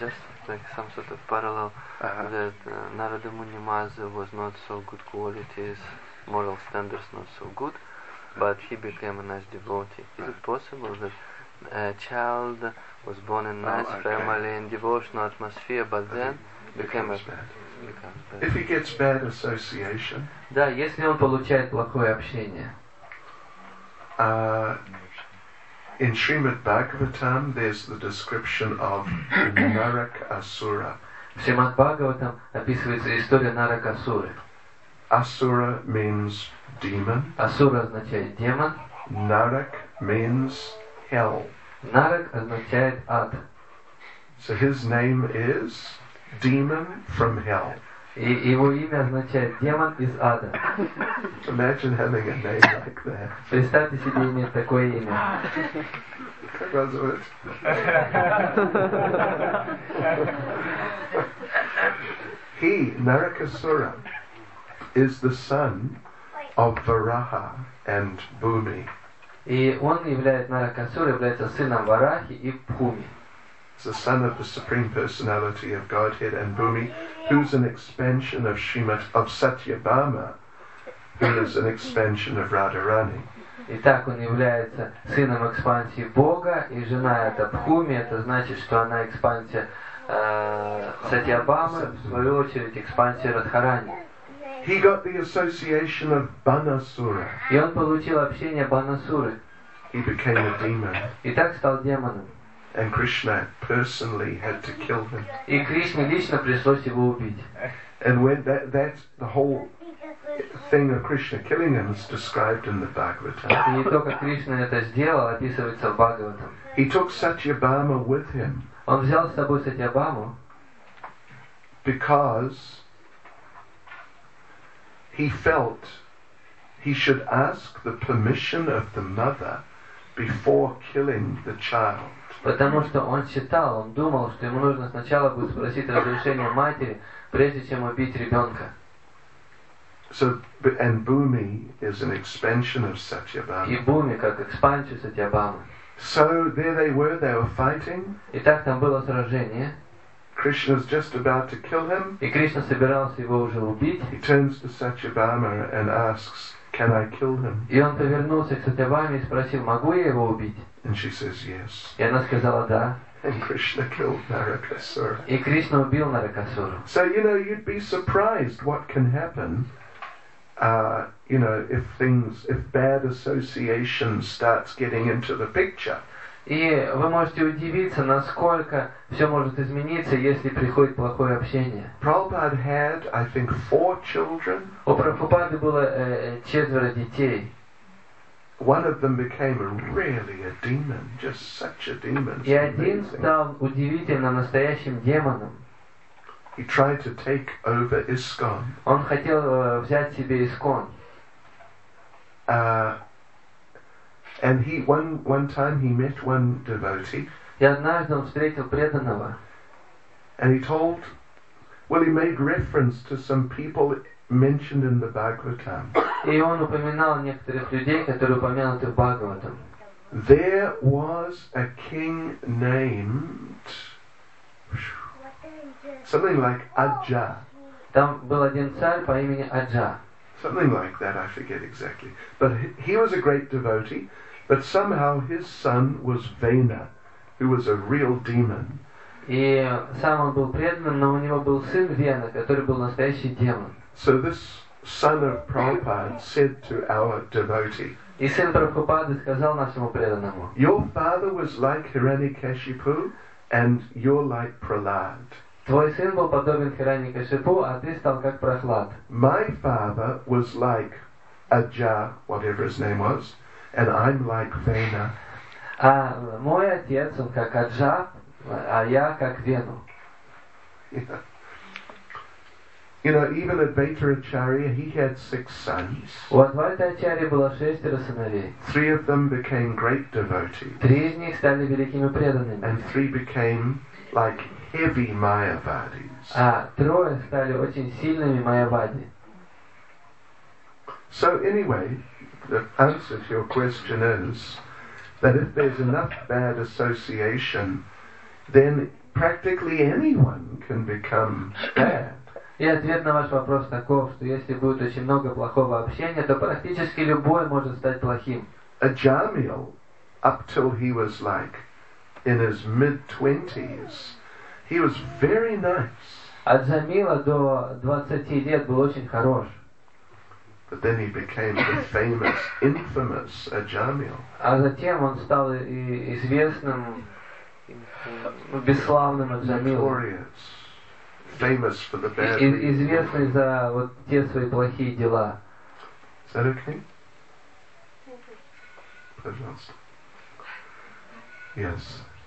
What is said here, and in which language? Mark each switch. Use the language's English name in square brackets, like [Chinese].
[English] Just like some sort of parallel that Narada Muni Maza was not so good qualities, moral standards not so good, but he became a nice devotee. Is it possible that a child was born in a nice family in devotional atmosphere, but then became bad. If he gets bad association. [Russian] Да, если он получает плохое общение. [English] In Srimad Bhagavatam, there's the description of Narakasura. [Russian] В Шримад Бхагаватам описывается история Наракасуры. [English] Asura means demon. [Russian] Асура означает демон. [English] Narak means hell. [Russian] Нарак означает ад. [English] So his name is demon from hell. [Russian] И его имя означает демон из ада. [English] Imagine having a name like that. [Russian] Представьте себе иметь такое имя. Как вас зовут? [English] He, Narakasura, is the son of Varaha and Bhumi. [Russian] И он является Наракасура, является сыном Варахи и Бхуми. [English] The son of the Supreme Personality of Godhead and Bhumi, who's an expansion of Shrimat of Satyabhama, who is an expansion of Radharani. [Russian] Итак, он является сыном экспансии Бога, и жена это Бхуми, это значит, что она экспансия Сатьябамы, в свою очередь экспансия Радхарани. [English] He got the association of Банасура. [Russian] И он получил общение Банасуры. [English] He became a demon. [Russian] И так стал демоном. [English] And Krishna personally had to kill him. [Russian] И Кришне лично пришлось его убить. [English] And when that the whole thing of Krishna killing him is described in the Bhagavatam. [Russian] И не только Кришна это сделал, описывается в Бхагаватам. [English] He took Satyabhama with him. [Russian] Он взял с собой Сатьябаму, [English] because he felt he should ask the permission of the mother before killing the child. [Russian] Потому что он считал, он думал, что ему нужно сначала будет спросить разрешение матери, прежде чем убить ребенка. [English] So, and Bhumi is an expansion of Satyabhama. [Russian] И Бхуми как экспансия Сатьябамы. [English] So there they were, they were fighting. [Russian] Итак, там было сражение. [English] Krishna's just about to kill him. [Russian] И Кришна собирался его уже убить. [English] He turns to Satyabhama and asks, "Can I kill him?" [Russian] И он повернулся к Сатьябаме и спросил, могу я его убить? [English] And she says yes. [Russian] И она сказала да. [English] And Krishna killed Narakasura. [Russian] И Кришна убил Наракасуру. [English] So you know you'd be surprised what can happen, you know, if bad association starts getting into the picture. [Russian] И вы можете удивиться, насколько все может измениться, если приходит плохое общение. [English] Prabhupada had, I think, 4 children. [Russian] У Прабхупады было 4 детей. [English] One of them became really a demon, just such a demon. [Russian] И один стал удивительно настоящим демоном. [English] He tried to take over ISKCON. [Russian] Он хотел взять себе ИСКОН. [English] And he one time he met one devotee. [Russian] И однажды он встретил преданного. [English] And he told, well, he made reference to some people mentioned in the Bhagavatam. [Russian] И он упоминал некоторых людей, которые упомянуты в Бхагаватам. [English] There was a king named something like Ajja. [Russian] Там был один царь по имени Ajja. [English] Something like that, I forget exactly. But he was a great devotee, but somehow his son was Vena, who was a real demon. [Russian] И сам он был преданным, но у него был сын Вена, который был настоящий демон. [English] So this son of Prabhupada said to our devotee. [Russian] И сын Прабхупады сказал нашему преданному. [English] Your father was like Hiranyakashipu, and you're like Prahlad. [Russian] Твой сын был подобен Хираньякашипу, а ты стал как Прахлад. [English] My father was like Ajja, whatever his name was, and I'm like Vena. [Russian] А мой отец он как Ajja, а я как Вену. [English] You know, even Advaita Acharya, he had 6 sons. [Russian] У Адвайта Ачарьи было 6 сыновей. [English] 3 of them became great devotees. [Russian] 3 из них стали великими преданными. [English] And 3 became like heavy Mayavadis. [Russian] А 3 стали очень сильными Майявади. [English] So anyway, the answer to your question is that if there's enough bad association, then practically anyone can become bad. [Russian] И ответ на ваш вопрос таков, что если будет очень много плохого общения, то практически любой может стать плохим. [English] Ajamil, up till he was like in his mid-20s, he was very nice. [Russian] Аджамила до 20 лет был очень хорош. [English] But then he became the famous, infamous Ajamil. [Russian] А затем он стал и известным, бесславным Аджамилом. [English] Famous for the bad things. [Russian] Известный за вот те свои плохие дела. [English] Is that okay? [Russian] Пожалуйста. [English] Yes.